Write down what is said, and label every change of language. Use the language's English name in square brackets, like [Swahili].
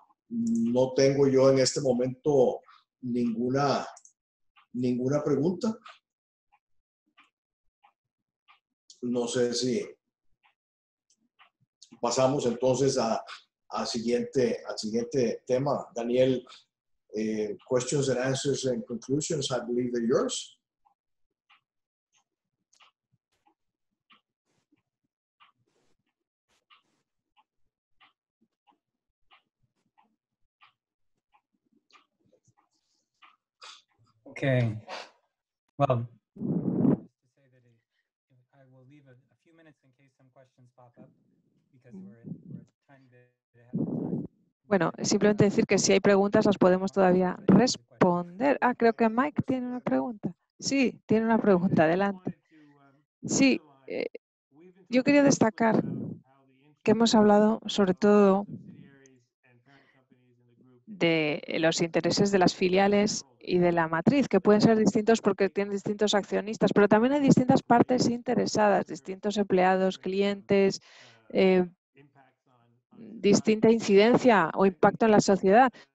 [Spanish] No tengo yo en este momento ninguna pregunta. No sé si pasamos entonces al siguiente tema. [English] Daniel, questions and answers and conclusions, I believe they're yours. Okay. Well, to say that I will leave a few minutes in case some questions pop up because we're trying to have time. [Spanish] Bueno, simplemente decir que si hay preguntas las podemos todavía responder. Ah, creo que Mike tiene una pregunta. Sí, tiene una pregunta. Adelante. Sí, yo quería destacar que hemos hablado sobre todo de los intereses de las filiales y de la matriz, que pueden ser distintos porque tienen distintos accionistas, pero también hay distintas partes interesadas, distintos empleados, clientes, distinta incidencia o impacto en la sociedad.